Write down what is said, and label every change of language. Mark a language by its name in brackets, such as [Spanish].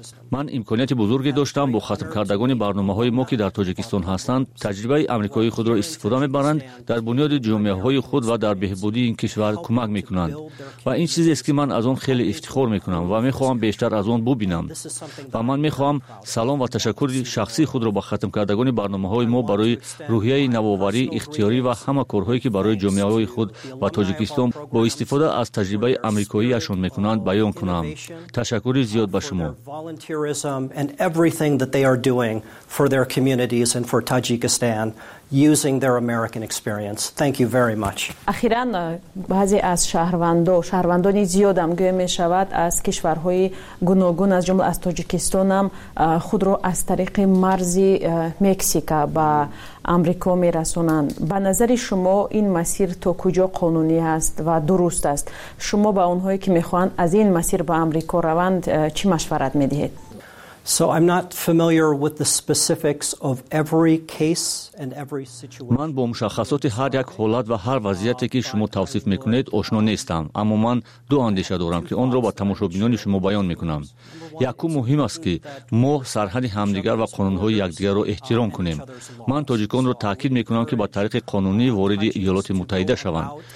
[Persian] من امکانات بزرگی داشتم با ختم کردگان برنامه های ما که در تاجیکستان هستند تجربه آمریکایی خود را استفاده می برند، در بنیاد جامعه های خود و در بهبودی این کشور کمک می کنند و این چیزی است که من از آن خیلی افتخار می کنم و می خواهم بیشتر از آن ببینم و من می خواهم سلام و تشکر شخصی خود را به ختم کردگان برنامه های ما برای روحیه نوآوری اختیاری و همه کارهایی که برای جامعه های خود و تاجیکستان با استفاده از تجربه آمریکایی اشون می کنند بیان کنم. تشکر زیاد به شما. [English] And everything that they are doing for their communities and for Tajikistan using their American experience. Thank you very much. [Persian] اخیراً بعضی از شهروندان زیاد هم گویا می شود از کشورهای گوناگون از جمله از تاجیکستان هم خود را از طریق مرز مکزیکا با آمریکا می رسانند. به نظر شما این مسیر تا کجا قانونی است و درست است؟ شما به اونهایی که می خواهند از این مسیر به آمریکا روند چی مشورت می دهید؟ [English] So I'm not familiar with the specifics of every case and every situation. [Persian] من با مشخصات هر یک حالت و هر وضعیتی که شما توصیف میکنید آشنا نیستم، اما من دو اندیشه دارم که آن را با تماشابینان شما بیان میکنم. یکو مهم است که ما سرحد همدیگر و قانونهای یکدیگر را احترام کنیم. من تاجیکان را تاکید میکنم که با طریق قانونی وارد ایالات متحده شوند.